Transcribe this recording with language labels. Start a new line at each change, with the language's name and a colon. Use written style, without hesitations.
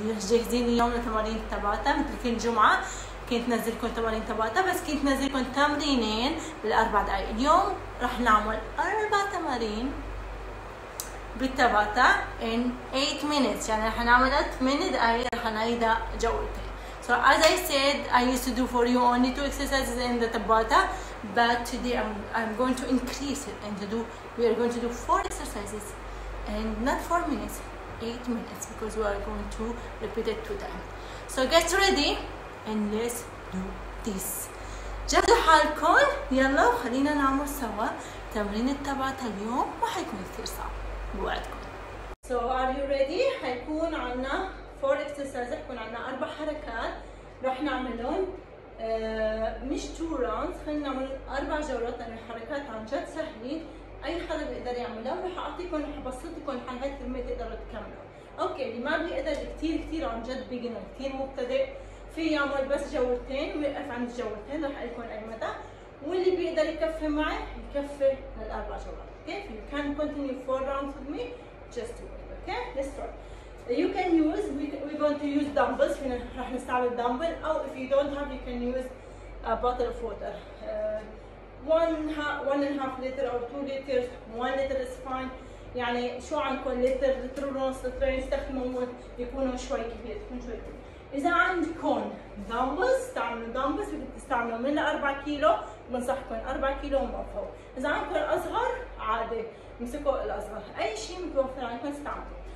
Arabic: جاهزين اليوم لتمارين تباتا. مثل كل جمعة كنت نزلكم تمارين تباتا، بس كنت نزلكم تمرينين بالأربع دقائق. اليوم رح نعمل أربع تمارين بالتباتا
English: in 8 minutes،
Arabic: يعني رح نعمل 8 دقائق رح نعيدها جولتين.
English: So as I said, I used to do for you only two exercises in the Tabata, but today I'm going to increase it and to do we are going to do four exercises and not 4 minutes, 8 minutes, because we are going to repeat it two times. So get ready and let's do this.
Arabic: جهزوا حالكم، يلا خلينا نعمل سوا تمرين التباتا اليوم، ما حيكون كثير صعب، بوعدكم.
English: So are you ready؟
Arabic: حيكون عنا فور اكسرسايز، حيكون عنا اربع حركات رح نعملهم، مش تو راوند، خلينا نعمل اربع جولات لانه الحركات عن جد سهلين، اي حدا بيقدر يعملها، ورح اعطيكم رح ابسط لكم حل هاي الكلمه تقدروا تكملوا. اوكي، اللي ما بيقدر كثير كثير عن جد بيجنر كثير مبتدئ في يعمل بس جولتين ويقف عند الجولتين، رح اقول لكم اي متى، واللي بيقدر يكفي معي يكفي للاربع جولات.
English: Okay, if you can continue four rounds with me just do it. Okay, let's start. You can use, we're going to use dumbbells. We're going to start with dumbbell. Or if you don't have, you can use a bottle of water. One and a half liter or 2 liters. 1 liter is fine.
Arabic: يعني شو عندكم لتر، لتر ونص، لترين، استخدمهم يكونوا شوي كبير، تكون شوي كبير. إذا عندكم dumbbells، استعملوا dumbbells، بتستعملوا من 4 كيلو، بنصحكم 4 كيلو وما فوق. إذا عندكم أصغر عادي، امسكوا الأصغر. أي شيء متوفر عندكم استعملوا.